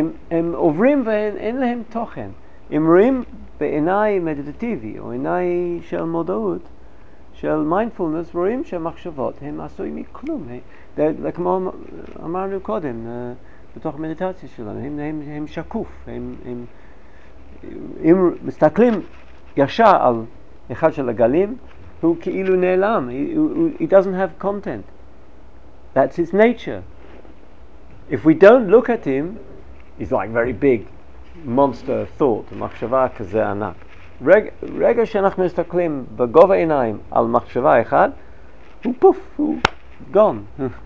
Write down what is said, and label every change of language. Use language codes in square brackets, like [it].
[he] הם עוברים ואין להם תוכן. הם רואים בעיניי מדיטטיבי, או עיניי של מודעות, של מיינדפולנס, רואים שהמחשבות הם עשוי מכלום. כמו אמרנו קודם, בתוך המדיטציה שלנו, הם שקוף. אם מסתכלים ישר על אחד של הגלים, הוא כאילו נעלם. [en] He doesn't have content. That's his nature. If we don't look at him, he's like very big monster thought, [he] מחשבה כזה ענק. רגע שאנחנו מסתכלים בגובה עיניים על מחשבה אחד, הוא פוף, הוא [en] gone.